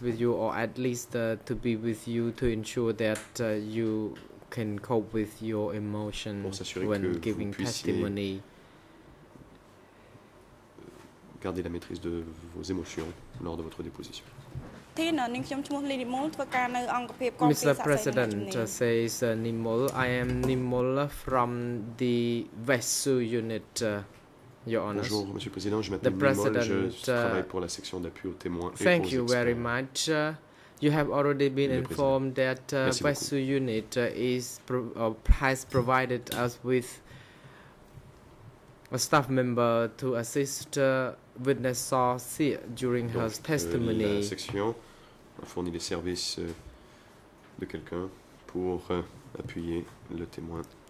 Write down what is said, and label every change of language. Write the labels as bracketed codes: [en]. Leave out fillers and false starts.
[en] with you, or at least to be with you to ensure that you can cope with your emotion when giving testimony. [fr] Gardez la maîtrise de vos émotions lors de votre déposition. [en] Mr. President says Nimol. I am Nimol from the Vesu unit, Your Honor. [fr] Bonjour, Monsieur le Président. Je m'appelle Nimol. Je travaille pour la section d'appui aux témoins et aux experts. [en] Thank you very much. You have already been informed that Vesu unit has provided us with a staff member to assist witness Saw-sik during her testimony. [fr] La section a fourni les services de quelqu'un pour appuyer le témoin.